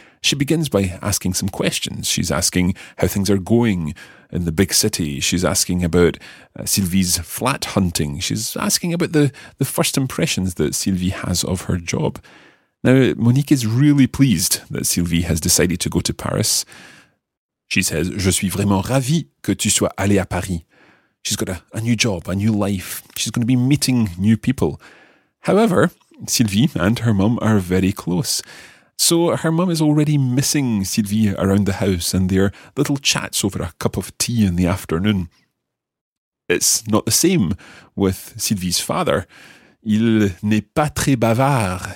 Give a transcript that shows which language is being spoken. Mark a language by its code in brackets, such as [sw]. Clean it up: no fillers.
[en] She begins by asking some questions. She's asking how things are going in the big city. She's asking about Sylvie's flat hunting. She's asking about the first impressions that Sylvie has of her job. Now, Monique is really pleased that Sylvie has decided to go to Paris. She says, [fr] "Je suis vraiment ravie que tu sois allée à Paris." [en] She's got a new job, a new life. She's going to be meeting new people. However, Sylvie and her mum are very close. So her mum is already missing Sylvie around the house and their little chats over a cup of tea in the afternoon. It's not the same with Sylvie's father. [fr] Il n'est pas très bavard.